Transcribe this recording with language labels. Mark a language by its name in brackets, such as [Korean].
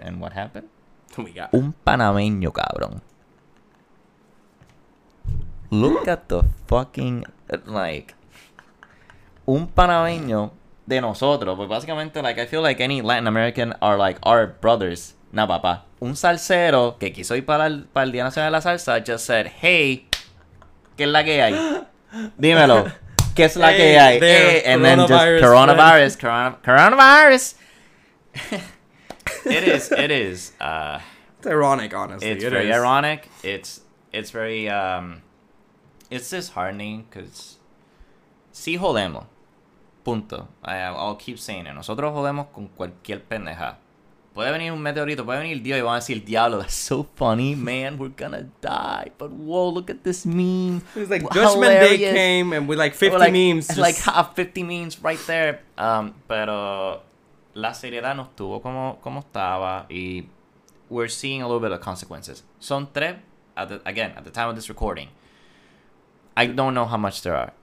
[English] And what happened? We got [Spanish] un panameño, cabrón. [English] Look at the fucking, like, [Spanish] un panameño de nosotros. [English] But básicamente, like, I feel like any Latin American are like our brothers. [Spanish] Nah, papá. Un salsero que quiso ir para el Día Nacional de la Salsa [English] just said, hey, [Spanish] ¿qué es la que hay? Dímelo. ¿Qué es la que hay? [English] Hey, and then just coronavirus. [Spanish] Coronavirus. [English] It is. It's ironic, honestly. It's very ironic. It's very. It's disheartening because. [Spanish] Si jodemos. Punto. [English] I'll keep saying it. [Spanish] Nosotros jodemos con cualquier pendeja. Puede venir un meteorito. Puede venir el dios y van a decir el diablo. [English] That's so funny, man. We're gonna die. But whoa, look at this meme. It's like Judgment Day came and we like 50 memes. Just... Like half 50 memes right there. [Spanish] Pero. La seriedad no estuvo como estaba, y [English] we're seeing a little bit of consequences. [Spanish] Son tres, [English] at the time of this recording. I don't know how much there are.